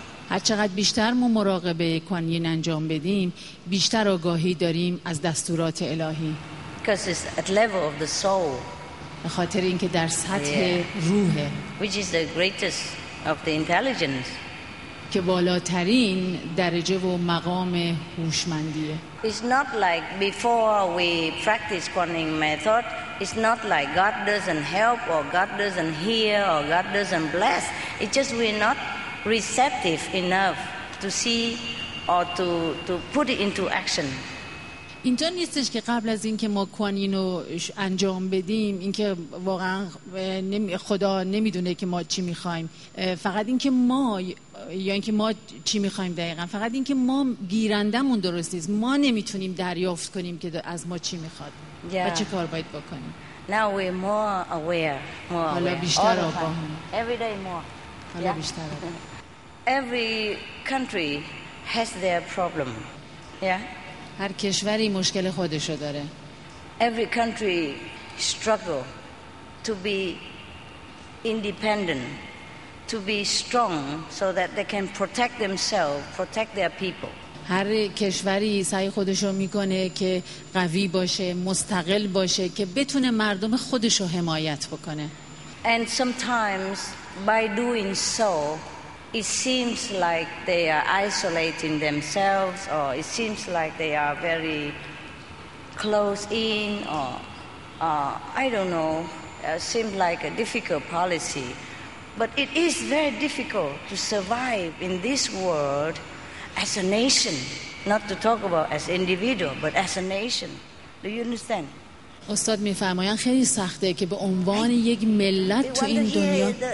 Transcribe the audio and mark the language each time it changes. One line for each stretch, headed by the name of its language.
Persian: هر چقدر بیشتر ما مراقبه کوانین انجام بدیم، بیشتر آگاهی داریم از دستورات الهی.
English: Because it's at level of the soul.
Persian: به خاطر اینکه در سطح روحه.
English: Which is the greatest of the intelligence.
Persian: که بالاترین درجه و مقام هوشمندیه.
English: It's not like before we practice Kuan Yin method. It's not like God doesn't help or God doesn't hear or God doesn't bless. It's just we're not receptive enough to see or to put it into action.
Persian: اینطور نیستش که قبل از اینکه ما کوانینو انجام بدیم اینکه واقعا خدا نمیدونه که ما چی میخوایم، فقط اینکه ما یا اینکه ما چی میخوایم دقیقا، فقط اینکه ما گیرندمون درست نیست، ما نمیتونیم دریافت کنیم که از ما چی میخواد و چه کار باید بکنیم.
English: Now we're more aware, more aware.
Persian: حالا بیشتر آگاه.
English: Every day more.
Persian: حالا بیشتر آگاه.
English: Every country has their problem. Yeah.
Persian: هر کشوری مشکل خودشو داره.
English: Every country struggle to be independent, to be strong so that they can protect themselves, protect their people.
Persian: هر کشوری سعی خودشو میکنه که قوی باشه، مستقل باشه که بتونه مردم خودشو حمایت بکنه.
English: And sometimes by doing so it seems like they are isolating themselves, or it seems like they are very close in, or I don't know, seems like a difficult policy. But it is very difficult to survive in this world as a nation, not to talk about as individual, but as a nation. Do you understand?
Persian: استاد میفرمایند خیلی سخته که به عنوان یک ملت تو این دنیا.